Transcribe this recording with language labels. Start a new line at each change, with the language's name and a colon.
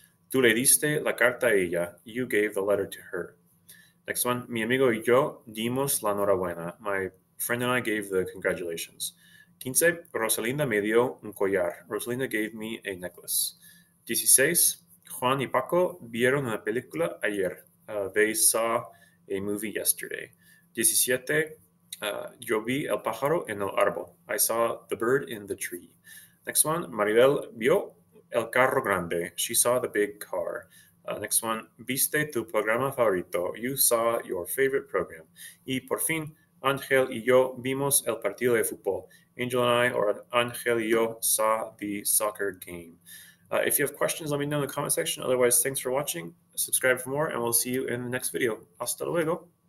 Spanish: Tú le diste la carta a ella.
English: You gave the letter to her. Next one,
Spanish: mi amigo y yo dimos la enhorabuena.
English: My friend and I gave the congratulations.
Spanish: 15, Rosalinda me dio un collar.
English: Rosalinda gave me a necklace.
Spanish: 16, Juan y Paco vieron una película ayer.
English: They saw a movie yesterday.
Spanish: 17, yo vi el pájaro en el árbol.
English: I saw the bird in the tree. Next one,
Spanish: Maribel vio el carro grande.
English: She saw the big car. Next one,
Spanish: viste tu programa favorito.
English: You saw your favorite program.
Spanish: Y por fin, Angel y yo vimos el partido de fútbol.
English: Angel and I, or
Spanish: Angel y yo,
English: saw the soccer game. If you have questions, let me know in the comment section. Otherwise, thanks for watching. Subscribe for more, and we'll see you in the next video.
Spanish: Hasta luego.